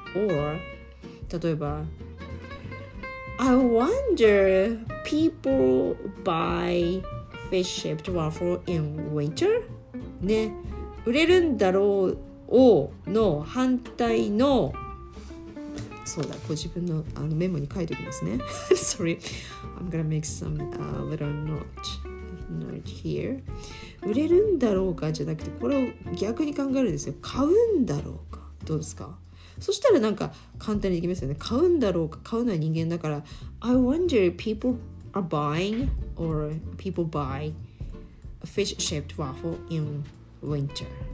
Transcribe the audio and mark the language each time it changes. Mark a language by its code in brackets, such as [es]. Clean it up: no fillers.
[en] Or, 例えば、I wonder people buy fish-shaped waffle in winter? [ja] ね、売れるんだろうの反対の、そうだ、ご自分の、あのメモに書いておきますね。 [en] Sorry, I'm gonna make some、little note here. [ja] 売れるんだろうかじゃなくて、これを逆に考えるんですよ。買うんだろうか、どうですか。そしたらなんか簡単にできますよね。買うんだろうか、買うのは人間だから、 [en] I wonder if people are buying or people buy a fish shaped waffle in winter。